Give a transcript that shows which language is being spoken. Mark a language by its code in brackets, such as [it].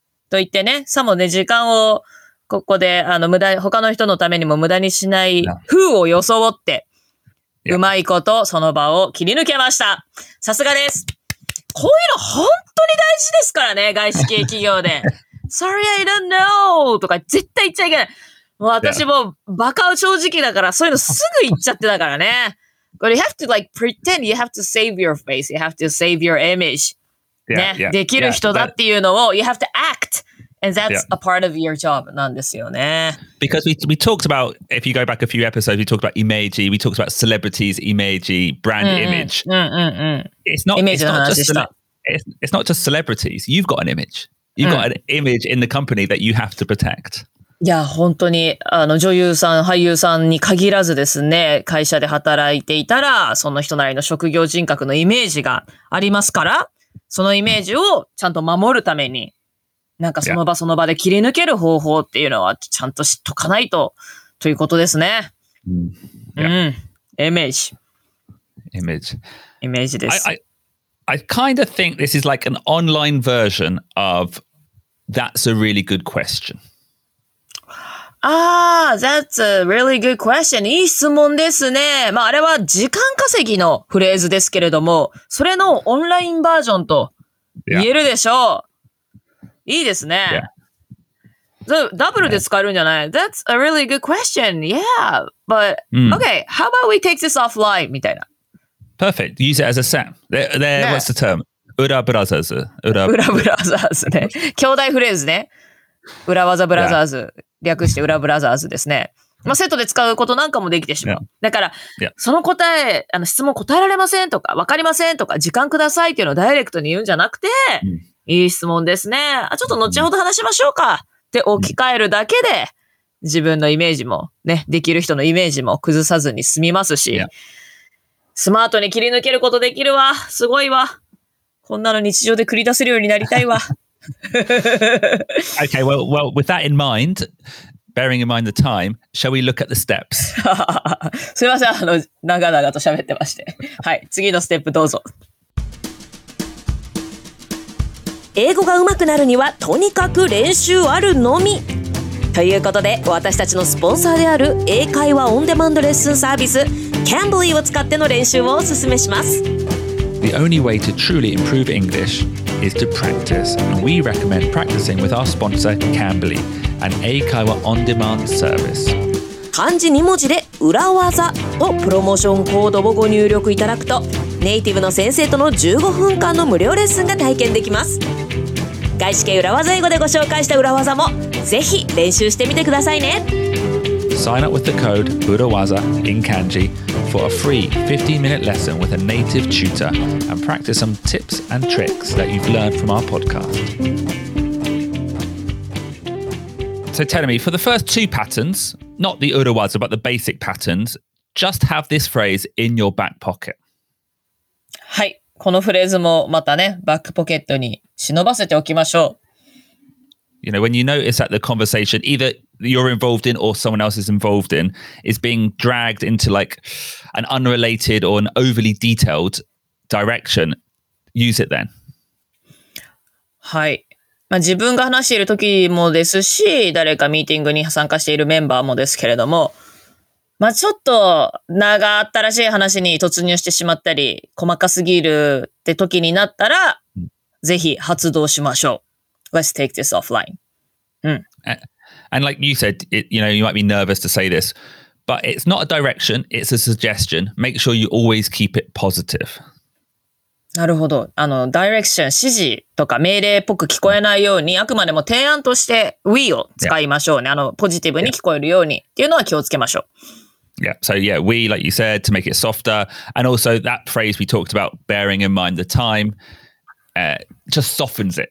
[ja] と言ってね、さもね、時間を、ここで、無駄、他の人のためにも無駄にしない、風を装って、 [en] Yeah. [ja] うまいことその場を切り抜けました。さすがです。こういうの本当に大事ですからね、外資系企業で。 [en] Sorry, I don't know! [ja] とか絶対言っちゃいけない。もう私もバカ正直だから、そういうのすぐ言っちゃってたからね。 [en] But you have to like pretend you have to save your face, you have to save your image. Yeah, [ja] ね、 [en] yeah, [ja] できる人だっていうのを、 [en] you have to act! And that's、yeah. a part of your job, [ja] なんですよね。 [en] Because we talked about, if you go back a few episodes, we talked about imagey, we talked about celebrities, imagey, brand image. It's not just celebrities. You've got an image. You've got an image in the company that you have to protect. [ja] いや、本当に、女優さん、俳優さんに限らずですね、会社で働いていたら、その人なりの職業人格のイメージがありますから、そのイメージをちゃんと守るために、なんかその場その場で切り抜ける方法っていうのはちゃんと知っとかないとということですね。 [en] Yeah. [ja] うん。イメージ。イメージ。イメージです。 [en] I kind of think this is like an online version of that's a really good question. ああ、that's a really good question. [ja] いい質問ですね。まああれは時間稼ぎのフレーズですけれども、それのオンラインバージョンと言えるでしょう。いいですね。So, ダブルで使えるんじゃない？ [en] That's a really good question. Yeah, but、okay, how about we take this offline? [ja] みたいな。 [en] Perfect. Use it as a set. There,、ね、what's the term? ウラブラザーズ。 [ja] ウラブラザーズね。兄弟フレーズね。ウラワザブラザーズ。略してウラブラザーズですね。まあ、セットで使うことなんかもできてしまう。だから、その答え、あの質問答えられませんとか、わかりませんとか、時間くださいっていうのをダイレクトに言うんじゃなくて、いい質問ですね。あ、ちょっと後ほど話しましょうか。って置き換えるだけで自分のイメージもね、できる人のイメージも崩さずに済みますし、スマートに切り抜けることできるわ、すごいわ、こんなの日常で繰り出せるようになりたいわ。 [en] Okay, well, well, with that in mind, bearing in mind the time, shall we look at the steps? [ja] すいません、あの長々と喋ってまして、はい、次のステップどうぞ。英語が上手くなるにはとにかく練習あるのみ。ということで、私たちのスポンサーである英会話オンデマンドレッスンサービス Cambly を使っての練習をお勧めします。 [en] The only way to truly improve English is to practice, and we recommend practicing with our sponsor Cambly, an [ja] 英会話オンデマンドサービス。漢字2文字で裏技とプロモーションコードをご入力いただくと、ネイティブの先生との15分間の無料レッスンが体験できます。外資系裏技英語でご紹介した裏技もぜひ練習してみてくださいね。 [en] Sign up with the code 裏技 in kanji for a free 15-minute lesson with a native tutor and practice some tips and tricks that you've learned from our podcast. So tell me, for the first two patterns, not the 裏技 but the basic patterns, just have this phrase in your back pocket. [ja] はい、このフレーズもまたね、バックポケットに忍ばせておきましょう。 [en] You know, when you notice that the conversation, either you're involved in or someone else is involved in, is being dragged into like an unrelated or an overly detailed direction, use it then. [ja] はい、まあ、自分が話している時もですし、誰かミーティングに参加しているメンバーもですけれども、まあ、ちょっと長ったらしい話に突入してしまったり、細かすぎるって時になったら、ぜひ発動しましょう。 [en] Let's take this offline. And like you said, it, you know, you might be nervous to say this, but it's not a direction, it's a suggestion. Make sure you always keep it positive. [ja] なるほど。あの、direction、指示とか命令っぽく聞こえないように、あくまでも提案として we を使いましょうね。あの、ポジティブに聞こえるようにっていうのは気をつけましょう。 [en] Yeah, so yeah, we, like you said, to make it softer. And also that phrase we talked about, bearing in mind the time,、just softens it.